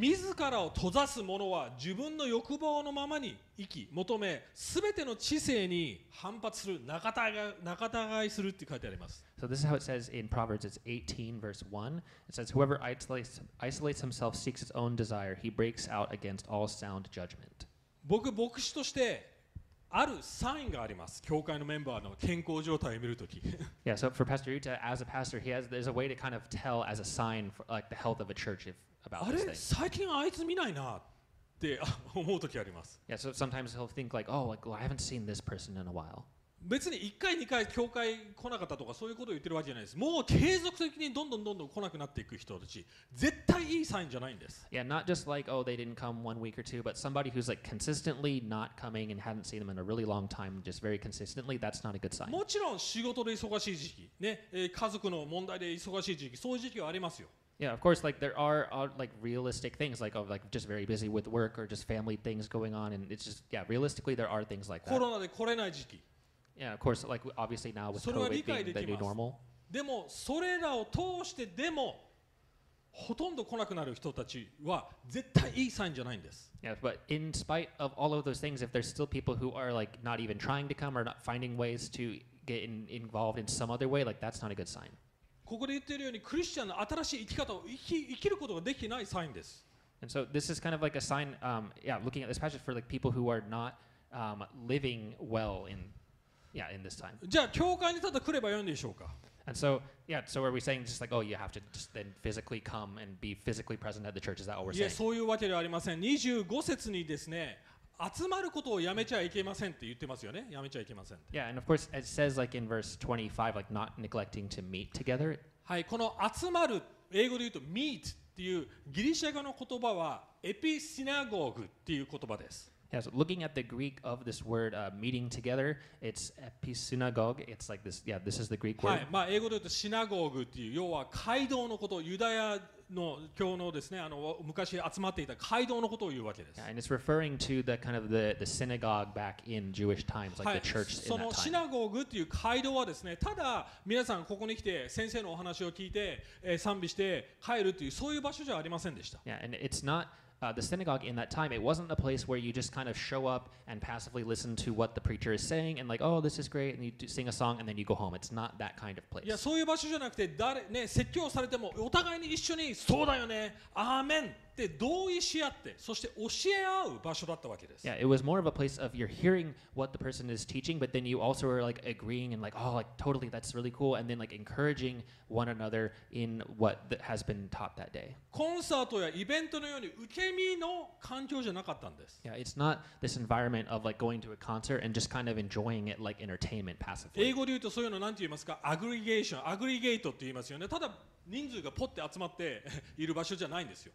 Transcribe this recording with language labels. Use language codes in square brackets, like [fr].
[ja] 自らを閉ざす者は自分の欲望のままに生き、求め、すべての知性に反発する、仲たがいするって書いてあります。 [en] So this is how it says in Proverbs, it's 18 verse 1. It says, whoever isolates himself seeks his own desire, he breaks out against all sound judgment. [ja] 僕、牧師としてあるサインがあります。教会のメンバーの健康状態を見るとき。 [en] Yeah, so for Pastor Yuta, as a pastor, there's a way to kind of tell as a sign for like the health of a church about this thing. [ja] あれ、最近あいつ見ないなって思うときあります。 [en] Yeah, so sometimes he'll think like, oh, like, well, I haven't seen this person in a while. [ja] 別に1回2回教会来なかったとかそういうことを言ってるわけじゃないです。もう継続的にどんどんどんどん来なくなっていく人たち、絶対いいサインじゃないんです。 [en] Yeah, not just like, oh, they didn't come one week or two, but somebody who's like consistently not coming and hadn't seen them in a really long time, just very consistently, that's not a good sign. [ja] もちろん仕事で忙しい時期、ね、家族の問題で忙しい時期、そういう時期はありますよ。 [en] Yeah, of course, like there are like realistic things like, oh, like just very busy with work or just family things going on, and it's just, yeah, realistically, there are things like that. [ja] コロナで来れない時期。 [en] Yeah, of course, like obviously now with COVID being the new normal. [ja] でもそれらを通してでもほとんど来なくなる人たちは絶対いいサインじゃないんです。 [en] Yeah, but in spite of all of those things, if there's still people who are like not even trying to come or not finding ways to get involved in some other way, like that's not a good sign. [ja] ここで言っているようにクリスチャンの新しい生き方を生きることができないサインです。 [en] And so this is kind of like a sign, looking at this passage for like people who are not living well in this time. [ja] じゃあ教会にただ来ればいいんでしょうか。 [en] And so, yeah, so are we saying just like, oh, you have to just then physically come and be physically present at the church? Is that what we're saying? [ja] いや、そういうわけではありません。25節にですね、集まることをやめちゃいけませんって言ってますよね。やめちゃいけませんって。 [en] Yeah, and of course, it says like in verse 25, like not neglecting to meet together. [ja] はい、この集まる、英語で言うと meet っていうギリシャ語の言葉はエピシナゴグっていう言葉です。 [en] Yeah, so looking at the Greek of this word, meeting together, it's episynagogue. It's like this. Yeah, this is the Greek word. [ja] はい、まあ英語で言うとシナゴーグっていう、要は会堂のこと、ユダヤの教のですね、昔集まっていた会堂のことを言うわけです。 [en] Yeah, and it's referring to the kind of the synagogue back in Jewish times, like the church in that time. [ja] そのシナゴーグっていう会堂はですね、ただ皆さんここに来て先生のお話を聞いて、賛美して帰るっていうそういう場所じゃありませんでした。 [en] Yeah, and it's notThe synagogue in that time, it wasn't a place where you just kind of show up and passively listen to what the preacher is saying and like, oh, this is great, and you do sing a song and then you go home. It's not that kind of place. [ja] いや、そういう場所じゃなくて、誰ね、説教されてもお互いに一緒にそうだよね、アーメンって同意し合って、そして教え合う場所だったわけです。 [en] Yeah, it was more of a place of you're hearing what the person is teaching, but then you also are like agreeing and like, oh, like totally, that's really cool, and then like encouraging one another in what has been taught that day. [ja] コンサートやイベントのように受け身の環境じゃなかったんです。 [en] Yeah, it's not this environment of like going to a concert and just kind of enjoying it like entertainment passively. [ja] 英語で言うとそういうの何て言いますか？アグリゲーション、アグリゲートって言いますよね。ただ人数がポッて集まっている場所じゃないんですよ。